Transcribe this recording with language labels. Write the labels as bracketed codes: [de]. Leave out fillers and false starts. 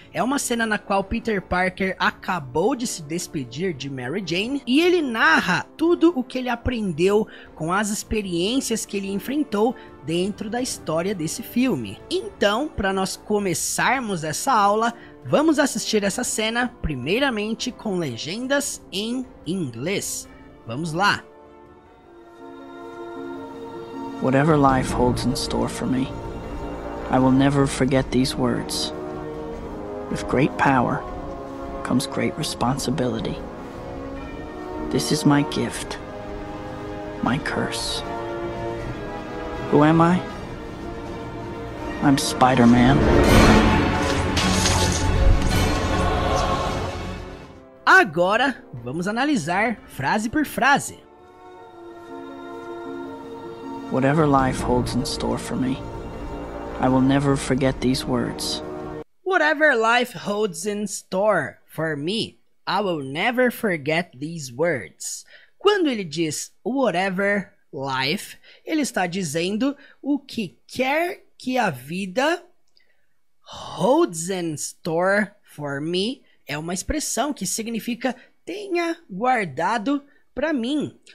[pt] É uma cena na qual Peter Parker acabou de se despedir de Mary Jane e ele narra tudo o que ele aprendeu com as experiências que ele enfrentou dentro da história desse filme. Então, para nós começarmos essa aula, vamos assistir essa cena primeiramente com legendas em inglês. Vamos lá. [en] Whatever life holds in store for me, I will never forget these words. With great power comes great responsibility. This is my gift, my curse. Who am I? I'm Spider-Man. [pt] Agora, vamos analisar frase por frase. [en] Whatever life holds in store for me, I will never forget these words. Whatever life holds in store for me, I will never forget these words. [pt] Quando ele diz [en] whatever life, [pt] ele está dizendo o que quer que a vida [en] holds in store for me. [pt] É uma expressão que significa tenha guardado para mim.